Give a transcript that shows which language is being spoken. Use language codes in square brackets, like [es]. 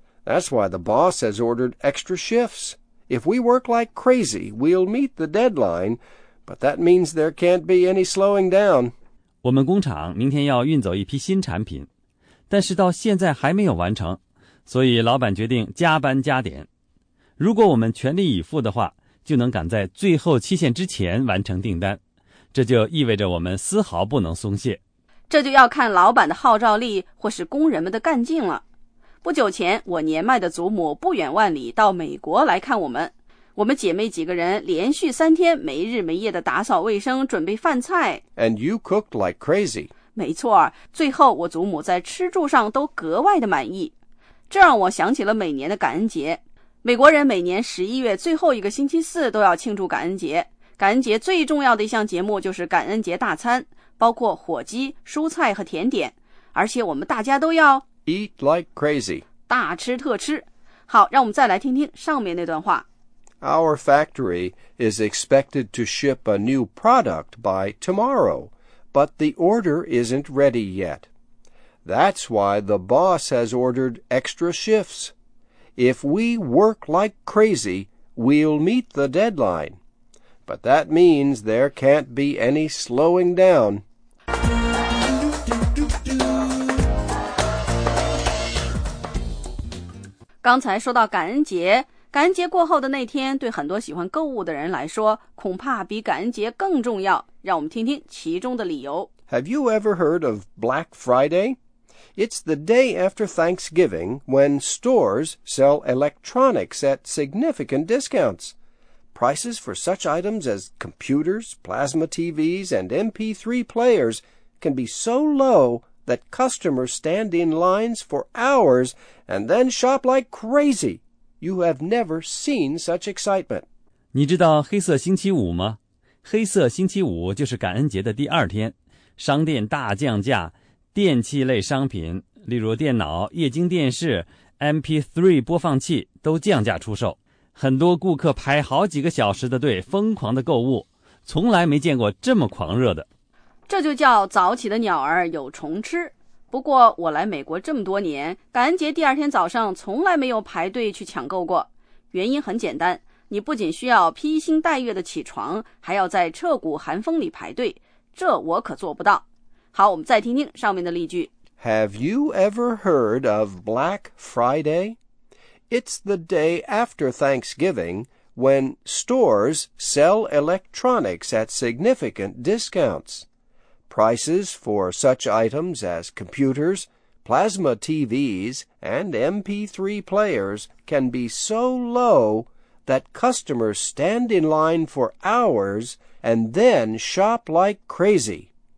[en] That's why the boss has ordered extra shifts. If we work like crazy, we'll meet the deadline, but that means there can't be any slowing down. [zh] 我们工厂明天要运走一批新产品，但是到现在还没有完成，所以老板决定加班加点。如果我们全力以赴的话，就能赶在最后期限之前完成订单，这就意味着我们丝毫不能松懈。这就要看老板的号召力或是工人们的干劲了。不久前，我年迈的祖母不远万里到美国来看我们。我们姐妹几个人连续3天没日没夜的打扫卫生，准备饭菜。 [en] And you cooked like crazy. [zh] 没错，最后我祖母在吃住上都格外的满意。这让我想起了每年的感恩节。美国人每年11月最后一个星期四都要庆祝感恩节。感恩节最重要的一项节目就是感恩节大餐，包括火鸡、蔬菜和甜点，而且我们大家都要 [en] Eat like crazy， [zh] 大吃特吃。好，让我们再来听听上面那段话。 [en] Our factory is expected to ship a new product by tomorrow, but the order isn't ready yet. That's why the boss has ordered extra shifts. If we work like crazy, we'll meet the deadline. But that means there can't be any slowing down. [zh] 刚才说到感恩节，感恩节过后的那天对很多喜欢购物的人来说恐怕比感恩节更重要，让我们听听其中的理由。 [en] Have you ever heard of Black Friday? It's the day after Thanksgiving when stores sell electronics at significant discounts. Prices for such items as computers, plasma TVs, and MP3 players can be so low that customers stand in lines for hours and then shop like crazy. You have never seen such excitement. [zh] 你知道黑色星期五吗？黑色星期五就是感恩节的第二天，商店大降价，电器类商品，例如电脑、液晶电视、MP3 播放器都降价出售。很多顾客排好几个小时的队，疯狂的购物，从来没见过这么狂热的。这就叫早起的鸟儿有虫吃。不过我来美国这么多年，感恩节第二天早上从来没有排队去抢购过。原因很简单，你不仅需要披星戴月的起床，还要在彻骨寒风里排队，这我可做不到。好，我们再听听上面的例句。 [en] Have you ever heard of Black Friday? It's the day after Thanksgiving when stores sell electronics at significant discounts. Prices for such items as computers, plasma TVs, and MP3 players can be so low that customers stand in line for hours and then shop like crazy.